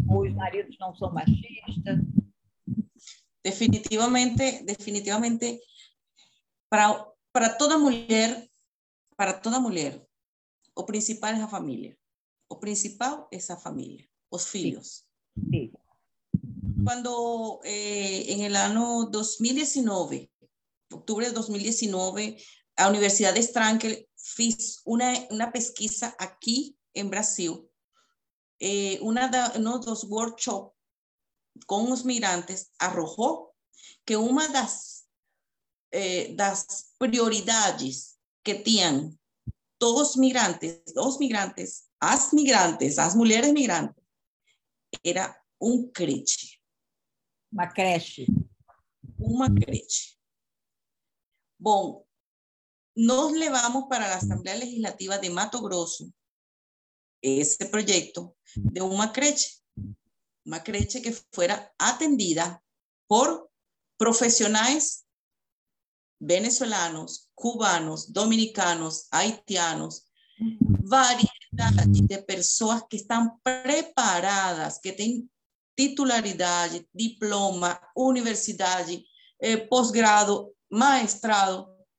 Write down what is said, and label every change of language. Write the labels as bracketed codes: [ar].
[pt] Ou os maridos não são machistas? Definitivamente, para toda mulher, o principal é a família. O principal é a família, os filhos. Sim. Sim. [es] Cuando en el año 2019, octubre de 2019, la Universidad de Strankel hizo una pesquisa aquí en Brasil, uno de los workshops con los migrantes arrojó que una de las prioridades que tenían todos los migrantes, las migrantes, las mujeres migrantes, era un creche. [pt] Uma creche. Bom, nós levamos para a Assembleia Legislativa de Mato Grosso [es] ese proyecto de una creche que fuera atendida por profesionales venezolanos, cubanos, dominicanos, haitianos, variedad de personas que están preparadas, que tienen titularidad, diploma, universidad, posgrado, maestrado,